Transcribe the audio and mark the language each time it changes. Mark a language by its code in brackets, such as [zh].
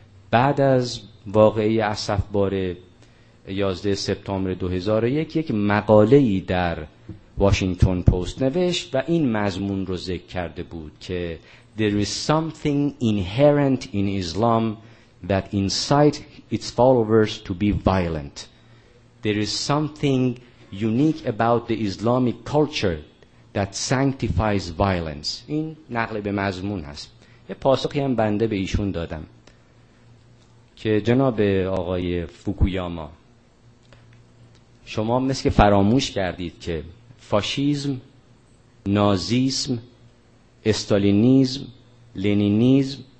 [fa] بعد از واقعه اسفبار 11 سپتامبر 2001 یک مقاله‌ای در واشنگتن پست نوشت و این مضمون رو ذکر کرده بود که [en] there is something inherent in Islam that incites its followers to be violent. There is something unique about the Islamic culture that sanctifies violence. [fa] این نقل به مضمون هست. یه پاسخی هم بنده به ایشون دادم که جناب آقای فوکویاما، شما مثل که فراموش کردید که فاشیزم، نازیسم، استالینیزم، لنینیزم،